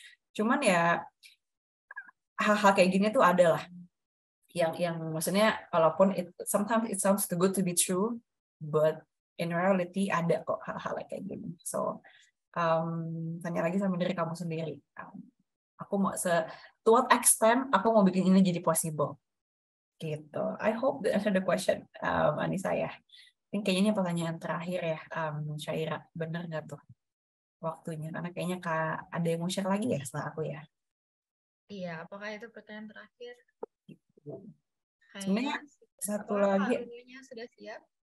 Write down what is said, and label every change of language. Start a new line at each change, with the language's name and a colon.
Indonesian: Cuman ya, hal-hal kayak gini tuh ada lah. Yang maksudnya, walaupun
English: sometimes it sounds too good to be true, but in reality
Indonesian: ada kok hal-hal kayak gini. So, tanya lagi sama diri kamu sendiri. Aku mau
English: to what extent
Indonesian: aku mau bikin ini jadi possible. Gitu.
English: I hope that answered the question, Anissa, ya.
Indonesian: Ini kayaknya pertanyaan terakhir ya, Syaira. Benar nggak tuh waktunya? Karena kayaknya Kak ada yang mau share lagi ya setelah aku ya. Iya, apakah itu pertanyaan terakhir? Sebenarnya satu apakah lagi. Apakah Kak Lulunya sudah siap?